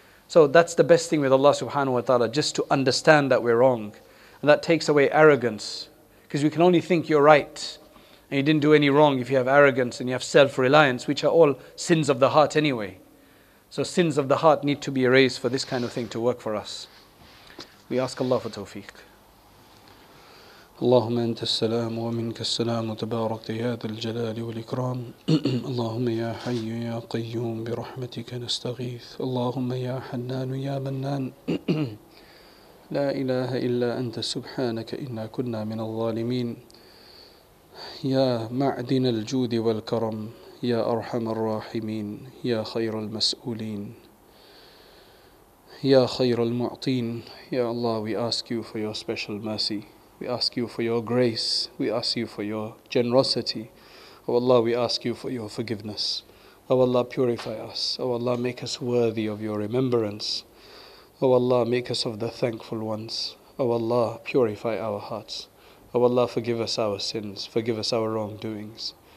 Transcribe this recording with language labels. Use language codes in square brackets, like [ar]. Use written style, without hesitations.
[en] So that's the best thing with Allah subhanahu wa ta'ala, just to understand that we're wrong. And that takes away arrogance, because we can only think you're right and you didn't do any wrong if you have arrogance and you have self-reliance, which are all sins of the heart anyway. So sins of the heart need to be erased for this kind of thing to work for us. We ask Allah for tawfiq. [ar] اللهم أنت السلام ومنك السلام تبارك يا ذا الجلال والإكرام اللهم يا حي يا قيوم برحمتك نستغيث اللهم يا حنان يا منان لا إله إلا أنت سبحانك إنا كنا من الظالمين يا معدن الجود والكرم يا أرحم الراحمين يا خير المسؤولين يا خير المعطين يا الله [en] we ask you for your special mercy. We ask you for your grace. We ask you for your generosity. Oh Allah, we ask you for your forgiveness. Oh Allah, purify us. Oh Allah, make us worthy of your remembrance. Oh Allah, make us of the thankful ones. Oh Allah, purify our hearts. Oh Allah, forgive us our sins. Forgive us our wrongdoings.